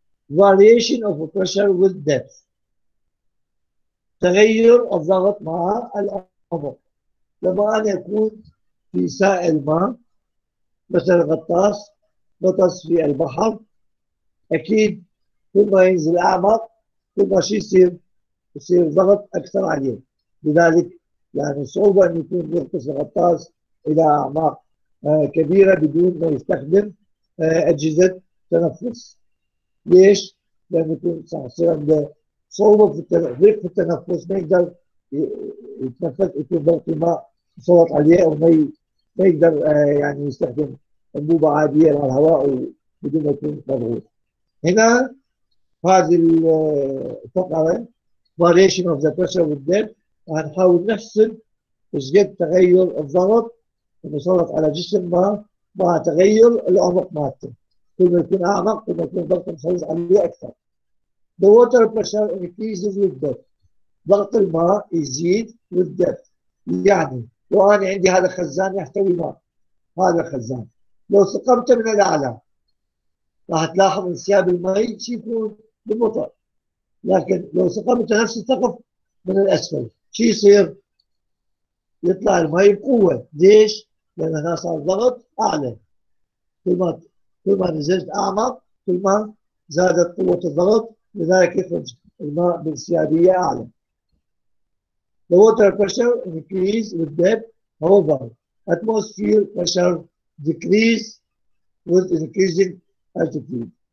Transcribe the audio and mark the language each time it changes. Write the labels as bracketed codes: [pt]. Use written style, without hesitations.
[en] Variation of pressure with depth، [ar] تغير الضغط مع العمق. لما أنا أكون في سائل ما مثل غطاس غطس في البحر، أكيد كل ما ينزل أعمق كل ما شيء يصير ضغط أكثر عليه. لذلك يعني صعوبة أن يكون يغطس الغطاس إلى أعماق كبيرة بدون ما يستخدم أجهزة تنفس. ليش؟ لأنه يكون صار عنده صعوبة في ضيق في التنفس، ما يقدر يتنفس، يكون ضغط الماء يسلط عليه، أو ما يقدر يعني يستخدم أنبوبة عادية على الهواء بدون ما يكون مضغوط. هنا هذه الفقرة [en] variation of the pressure with depth، [ar] هنحاول نحسب ايش قد تغير الضغط المسلط على جسم ما مع تغير العمق مالته. كل ما يكون اعمق كل ما يكون الضغط المسلط عليه اكثر. [en] The water pressure increases with depth، [ar] ضغط الماء يزيد [en] with depth. [ar] يعني لو انا عندي هذا الخزان يحتوي ماء، هذا الخزان لو سقمت من الاعلى راح تلاحظ انسياب الماء شيء يكون بالمطر، لكن لو سقمت نفس الثقب من الاسفل شو يصير؟ يطلع الماء بقوه. ليش؟ لان هنا صار الضغط اعلى. كل ما نزلت اعمق كل ما زادت قوه الضغط، لذلك يخرج الماء بانسيابيه اعلى. [en] The water pressure increase with depth، however atmosphere pressure decrease with increasing altitude.